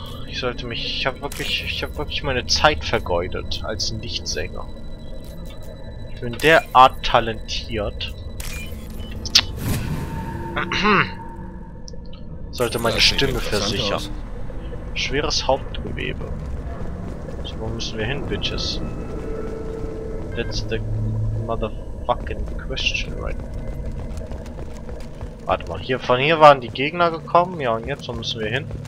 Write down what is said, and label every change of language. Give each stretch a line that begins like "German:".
German: Ich habe wirklich meine Zeit vergeudet als Nichtsänger. Ich bin derart talentiert. Sollte meine Stimme versichern. Schweres Hauptgewebe. So, wo müssen wir hin, Bitches?
English: That's the motherfucking question, right?
German: Warte mal, hier von hier waren die Gegner gekommen. Ja, und jetzt, wo müssen wir hin?